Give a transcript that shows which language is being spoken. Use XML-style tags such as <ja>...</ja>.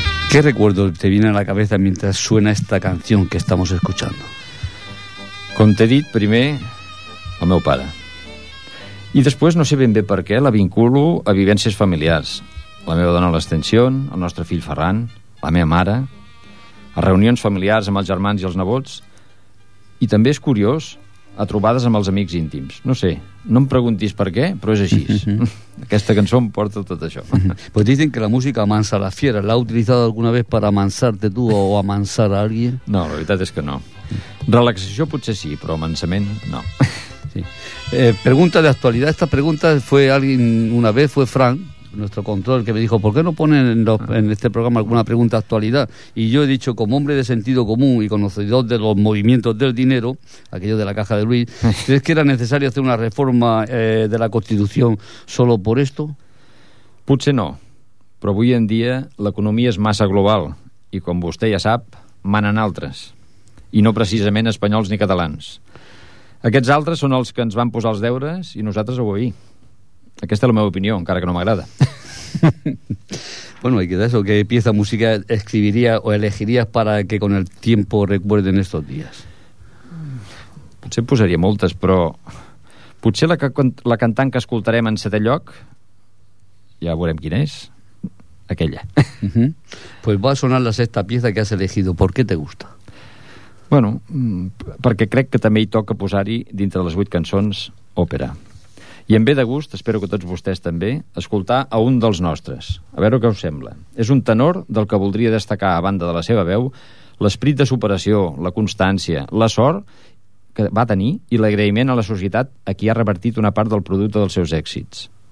<es>¿Qué recuerdo te viene a la cabeza mientras suena esta canción que estamos escuchando?</es> <ca>Con Tedit, primer, el meu pare. I després, no sé ben bé per què, la vinculo a vivències familiars. La meva dona a l'Ascensió, el nostre fill Ferran, la meva mare, a reunions familiars amb els germans i els nebots, i també és curiós, a trobades amb els amics íntims. No sé, no em preguntis per què, però és així. Aquesta cançó em porta tot això.</ca> <es>Pues dicen que la música amansa las fieras. ¿La has utilizado alguna vez para amansarte tú o amansar a alguien?</es> <ca>No, la veritat és que no. Relaxació potser sí, però amansament no.</ca> <es>Sí. Pregunta de actualidad. Esta pregunta fue alguien una vez, fue Frank, nuestro control, que me dijo, ¿por qué no ponen en este programa alguna pregunta de actualidad? Y yo he dicho, como hombre de sentido común y conocedor de los movimientos del dinero, aquello de la caja de Luis, ¿crees que era necesario hacer una reforma de la Constitución solo por esto?</es> <ca>Potser no, però avui en dia l'economia és massa global i, com vostè ja sap, manen altres, i no precisament espanyols ni catalans. Aquests altres són els que ens van posar els deures i nosaltres ho veiem. Aquesta és la meva opinió, encara que no m'agrada.</ca> <es>Bueno, y quizás eso, ¿qué pieza música escribiría o elegirías para que con el tiempo recuerden estos días?</es> <ca>Potser en posaria moltes, però potser la cantant que escoltarem en setè lloc, ja veurem quina és, aquella.</ca> <es>Pues va a sonar la sexta pieza que has elegido. ¿Por qué te gusta?</es> <ca>Bueno, perquè crec que també hi toca posar-hi, dintre les vuit cançons, òpera. I em ve de gust, espero que tots vostès també, escoltar a un dels nostres. A veure què us sembla. És un tenor del que voldria destacar, a banda de la seva veu, l'esperit de superació, la constància, la sort que va tenir i l'agraïment a la societat a qui ha revertit una part del producte dels seus èxits.</ca>